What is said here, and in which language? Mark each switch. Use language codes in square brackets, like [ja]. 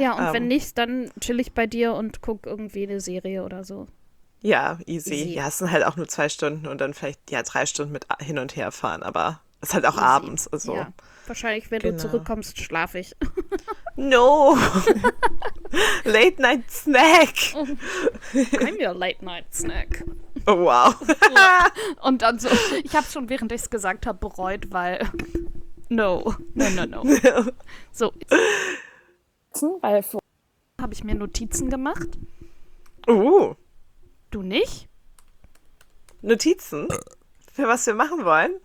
[de] Ja, und wenn nicht, dann chill ich bei dir und guck irgendwie eine Serie oder so. Ja, easy. Ja, es sind halt auch nur 2 Stunden und dann vielleicht, 3 Stunden mit hin und her fahren, aber es ist halt auch easy. Abends, also... Ja. Wahrscheinlich, wenn du zurückkommst, schlafe ich. [en] No! Late Night Snack! I'm your Late Night Snack. Oh, wow. [de] Und dann so, ich habe schon, während ich es gesagt habe, bereut, weil. [en] No. No, no, no. [de] So. Habe ich mir Notizen gemacht? Du nicht? Notizen? Für was wir machen wollen?